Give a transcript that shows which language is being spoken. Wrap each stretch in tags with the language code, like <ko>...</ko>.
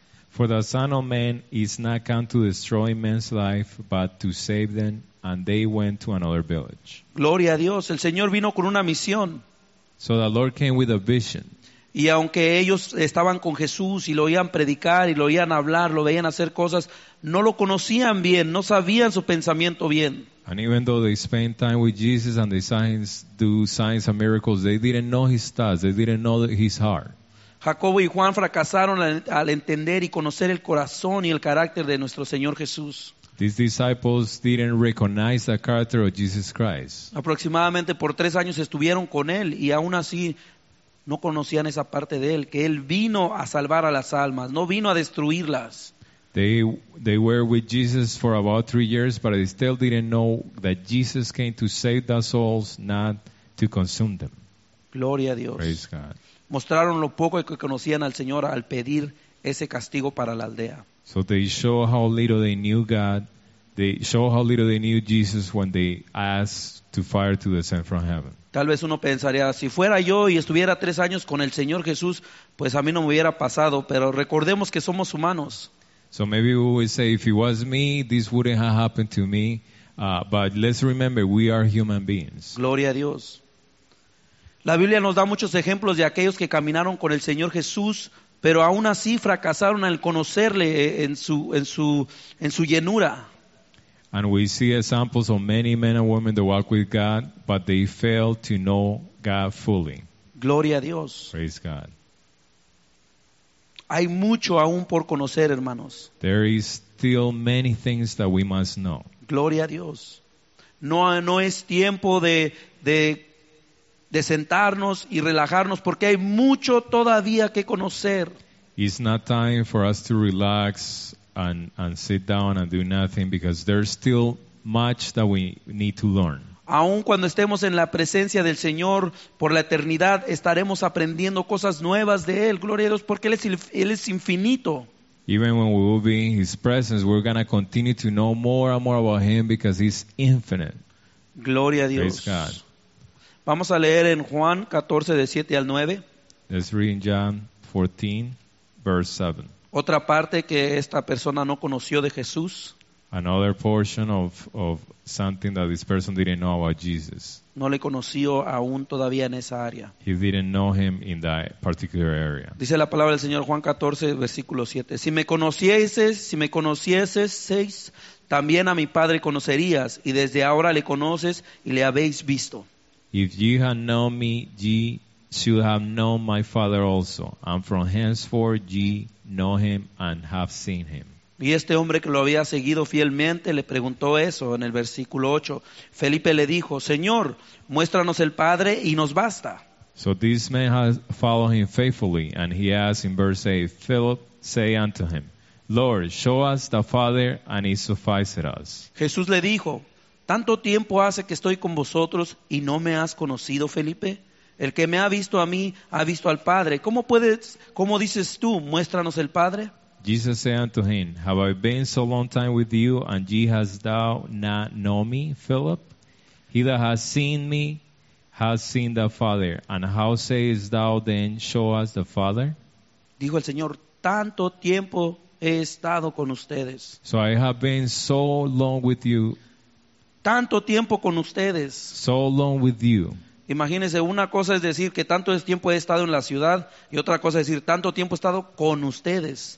<en>For the Son of Man is not come to destroy men's life, but to save them, and they went to another village.</en> <es>Gloria a Dios, el Señor vino con una misión.</es> <en>So the Lord came with a vision.</en> <es>Y aunque ellos estaban con Jesús y lo oían predicar y lo oían hablar, lo veían hacer cosas, no lo conocían bien, no sabían su pensamiento bien.</es> <en>And even though they spent time with Jesus and the signs, do signs and miracles, they didn't know his thoughts, they didn't know his heart.</en> <es>Jacobo y Juan fracasaron al entender y conocer el corazón y el carácter de nuestro Señor Jesús.</es> <en>These disciples didn't recognize the character of Jesus Christ.</en> <es>Aproximadamente por 3 años estuvieron con él y aún así no conocían esa parte de él, que él vino a salvar a las almas, no vino a destruirlas.</es> <en>They were with Jesus for about 3 years, but they still didn't know that Jesus came to save the souls, not to consume them.</en> <es>Gloria a Dios.</es> <en>Praise God.</en> <es>Mostraron lo poco que conocían al Señor al pedir ese castigo para la aldea.</es> <en>So they show how little they knew God. They show how little they knew Jesus when they asked to fire to descend from heaven.</en> <es>Tal vez uno pensaría, si fuera yo y estuviera 3 años con el Señor Jesús, pues a mí no me hubiera pasado. Pero recordemos que somos humanos.</es> <en>So maybe we would say, if it was me, this wouldn't have happened to me. But let's remember, we are human beings.</en> <es>Gloria a Dios. La Biblia nos da muchos ejemplos de aquellos que caminaron con el Señor Jesús, pero aún así fracasaron al conocerle en su llenura.</es> <en>And we see examples of many men and women that walk with God, but they fail to know God fully.</en> <es>Gloria a Dios.</es> <en>Praise God.</en> <es>Hay mucho aún por conocer, hermanos.</es> <en>There is still many things that we must know.</en> <es>Gloria a Dios. No es tiempo de sentarnos y relajarnos, porque hay mucho todavía que conocer.</es> <en>It's not time for us to relax and sit down and do nothing, because there's still much that we need to learn.</en> <es>Aun cuando estemos en la presencia del Señor por la eternidad, estaremos aprendiendo cosas nuevas de Él. Gloria a Dios, porque Él es infinito.</es> <en>Even when we will be in His presence, we're going to continue to know more and more about Him because He's infinite.</en> <es>Gloria a Dios.</es> <en>Praise God.</en> <es>Vamos a leer en Juan 14, de 7 al 9.</es> <en>Let's read in John 14, verse 7.</en> <es>Otra parte que esta persona no conoció de Jesús.</es> <en>Another portion of something that this person didn't know about Jesus.</en> <es>No le conoció aún todavía en esa área.</es> <en>He didn't know him in that particular area.</en> <es>Dice la palabra del Señor, Juan 14, versículo 7. Si me conocieseis, también a mi Padre conocerías, y desde ahora le conoces y le habéis visto.</es> <en>If ye had known me, ye should have known my Father also. And from henceforth ye know him and have seen him.</en> <es>Y este hombre que lo había seguido fielmente le preguntó eso en el versículo 8. Felipe le dijo, Señor, muéstranos el Padre y nos basta.</es> <en>So this man has followed him faithfully, and he asked in verse 8, Philip, say unto him, Lord, show us the Father, and it suffices us.</en> <es>Jesús le dijo, tanto tiempo hace que estoy con vosotros y no me has conocido, Felipe. El que me ha visto a mí ha visto al Padre. ¿Cómo dices tú, muéstranos el Padre?</es> <en>Jesus said unto him, Have I been so long time with you, and ye hast thou not know me, Philip? He that has seen me has seen the Father. And how sayest thou then, Show us the Father?</en> <es>Dijo el Señor, tanto tiempo he estado con ustedes.</es> <en>So I have been so long with you.</en> <es>Tanto tiempo con ustedes.</es> <en>So long with you.</en> <es>Imagínense, una cosa es decir que tanto tiempo he estado en la ciudad y otra cosa es decir tanto tiempo he estado con ustedes.</es>